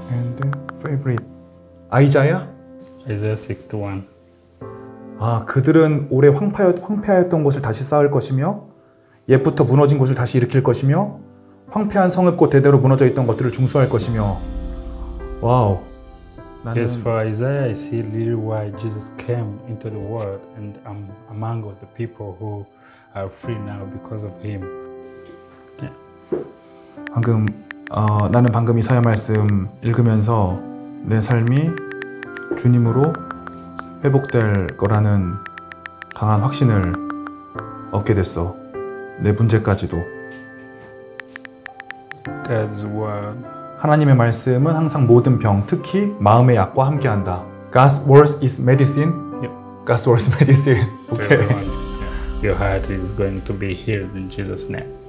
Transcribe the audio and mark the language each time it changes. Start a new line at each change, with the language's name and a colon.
English: And favorite. 아이자야? Isaiah 61.
Korean: 아, 그들은 오래 황폐하였던 곳을 다시 쌓을 것이며 옛부터 무너진 곳을 다시 일으킬 것이며 황폐한 성읍과 대대로 무너져 있던 것들을 중수할 것이며. 와우.
English: Yes, for Isaiah, I see little while Jesus came into the world and I'm among the people who are free now because of him. Yeah.
Korean: 방금 나는 방금 이사야 말씀 읽으면서 내 삶이 주님으로 회복될 거라는 강한 확신을 얻게 됐어. 내 문제까지도.
English: God's word.
Korean: 하나님의 말씀은 항상 모든 병, 특히 마음의 약과 함께한다.
English: God's word is medicine. Yep. God's word is medicine. Okay. Your heart is going to be healed in Jesus' name.